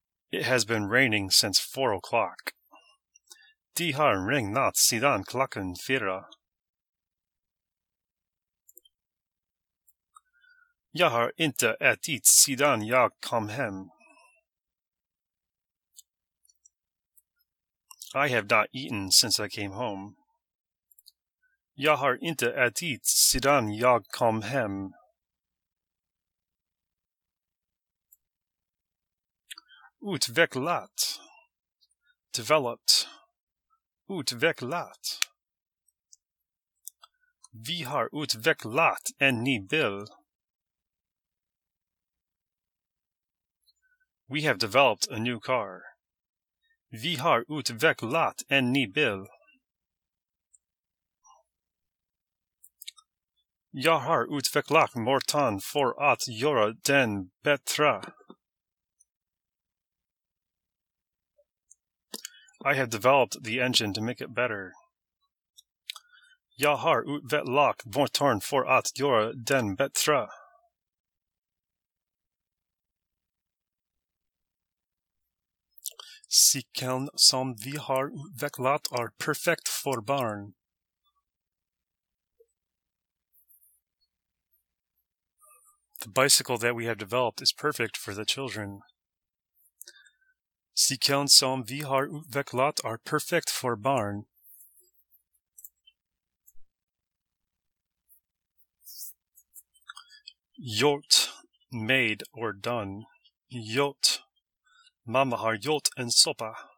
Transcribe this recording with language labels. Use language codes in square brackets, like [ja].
[en] It has been raining since 4 o'clock. [sv] De har ringnat sedan klockan fyra. Jag har inte ätit sedan jag kom hem. [en] I have not eaten since I came home. [sv] Jag har inte ätit sedan jag kom hem. Utvecklat. [en] Developed. [sv] Utvecklat. Vi har utvecklat en ny bil. [en] We have developed a new car. [sv] Vi har utvecklat en ny bil. Jag har utvecklat motorn för att göra den bättre. [en] I have developed the engine to make it better. [sv] Jag har utvecklat motorn för att göra den bättre. Cykeln som vi har utvecklat är perfekt för barn. [en] The bicycle that we have developed is perfect for the children. [sv] Cykeln som vi har utvecklat är perfekt för barn. Gjort, [en] made or done. [sv] Gjort. Mamma har gjort en soppa.